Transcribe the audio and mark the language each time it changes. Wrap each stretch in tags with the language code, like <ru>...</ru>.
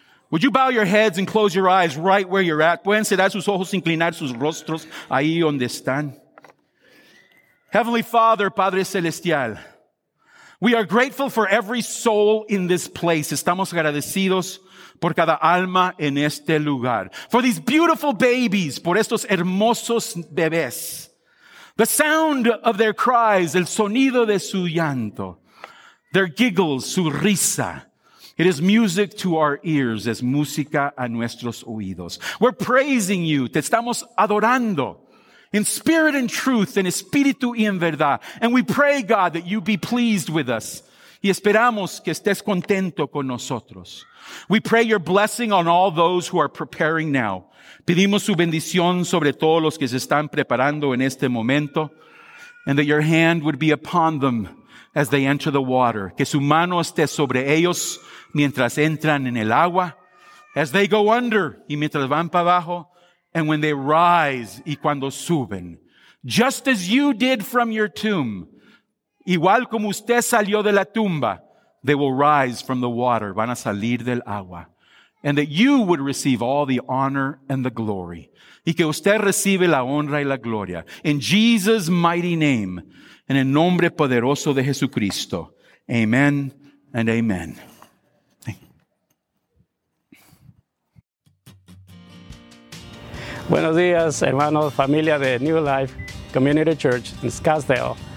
<en>Would you bow your heads and close your eyes right where you're at?</en> <es>Pueden cerrar sus ojos, inclinar sus rostros ahí donde están.</es> <en>Heavenly Father,</en> <es>Padre Celestial,</es> <en>we are grateful for every soul in this place.</en> <es>Estamos agradecidos por cada alma en este lugar.</es> <en>For these beautiful babies,</en> <es>por estos hermosos bebés.</es> <en>The sound of their cries,</en> <es>el sonido de su llanto,</es> <en>their giggles,</en> <es>su risa.</es> <en>It is music to our ears,</en> <es>es música a nuestros oídos.</es> <en>We're praising you,</en> <es>te estamos adorando,</es> <en>in spirit and truth,</en> <es>en espíritu y en verdad.</es> <en>And we pray, God, that you be pleased with us.</en> <es>Y esperamos que estés contento con nosotros.</es> <en>We pray your blessing on all those who are preparing now.</en> <es>Pedimos su bendición sobre todos los que se están preparando en este momento.</es> <en>And that your hand would be upon them as they enter the water.</en> <es>Que su mano esté sobre ellos mientras entran en el agua.</es> <en>As they go under</en> <es>y mientras van para abajo.</es> <en>And when they rise</en> <es>y cuando suben.</es> <en>Just as you did from your tomb.</en> <es>Igual como usted salió de la tumba,</es> <en>they will rise from the water,</en> <es>van a salir del agua.</es> <en>And that you would receive all the honor and the glory.</en> <es>Y que usted recibe la honra y la gloria.</es> <en>In Jesus' mighty name,</en> <es>en el nombre poderoso de Jesucristo.</es> <en>Amen and amen.</en> <es>Buenos días, hermanos, familia de New Life Community Church in Scottsdale.</es>